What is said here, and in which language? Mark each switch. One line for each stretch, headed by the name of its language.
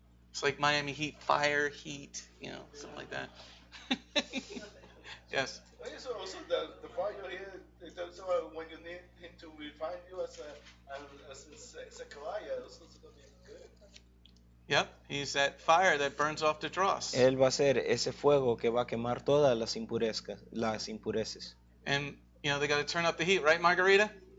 English: It's like Miami Heat, fire, heat, you know, something like that. Yes. Also, the fire here, it's also when you need him to revive you as a Zechariah, also it's going to be good. Yep, he's that fire that burns off the dross.
Spanish: Él va a ser ese fuego que va a quemar todas las impurezas.
English: And, you know, they got to turn up the heat, right, Margarita?